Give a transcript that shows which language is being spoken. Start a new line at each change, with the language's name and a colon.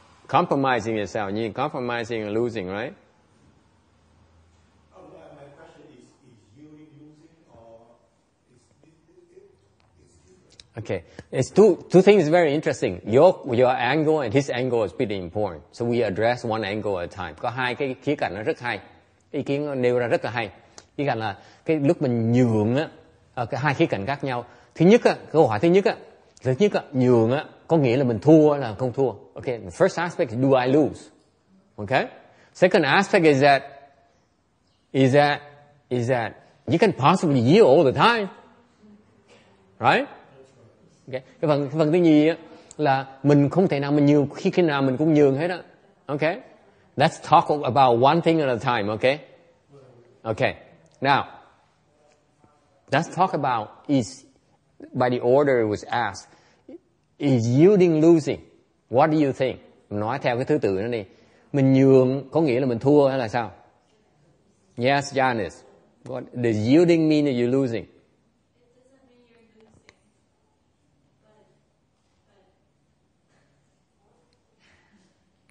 English: compromising yourself, you mean compromising and losing, right? Oh, yeah, my question is you losing or is it? Okay, it's two things very interesting. Your angle and his angle is pretty important. So we address one angle at a time.
Vietnamese: Có hai cái khía cạnh nó rất hay. Ý kiến nêu ra rất là hay. Khía cạnh là cái lúc mình nhường á, cái hai khía cạnh khác nhau. Thứ nhất á, câu hỏi thứ nhất á, nhường á, có nghĩa là mình thua là không thua.
English: Okay, the first aspect is do I lose? Okay? Second aspect is that you can possibly yield all the time. Right? Okay.
Vietnamese: Cái phần thứ nhì á, là mình không thể nào mình nhường, khi nào mình cũng nhường hết á.
English: Okay? Let's talk about one thing at a time, okay? Okay. Now, let's talk about is by the order it was asked. Is yielding losing? What do you think?
Vietnamese: Nói theo cái thứ tự nó đi. Mình nhường có nghĩa là mình thua hay là sao?
English: Yes, Janice. What does yielding mean that you're losing? It doesn't mean you're losing.